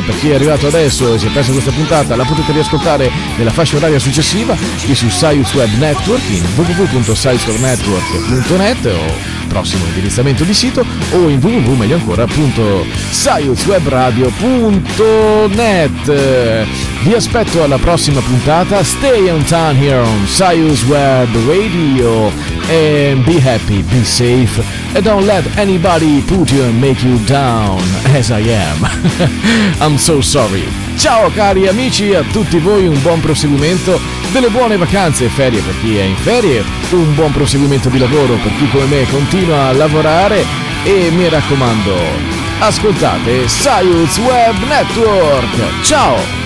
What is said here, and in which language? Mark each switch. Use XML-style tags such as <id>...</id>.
<it>Per chi è arrivato adesso e si è persa questa puntata, la potete riascoltare nella fascia oraria successiva qui su Saius Web Network, in www.saiuswebnetwork.net, o prossimo indirizzamento di sito, o in www, meglio ancora, appunto, saiuswebradio.net. Vi aspetto alla prossima puntata.</it> <en>Stay on time here on Saius Web Radio, and be happy, be safe, and don't let anybody put you and make you down as I am. I'm so sorry.</en> <it>Ciao cari amici, a tutti voi un buon proseguimento, delle buone vacanze e ferie per chi è in ferie, un buon proseguimento di lavoro per chi come me continua a lavorare, e mi raccomando, ascoltate Saius Web Network. Ciao!</it>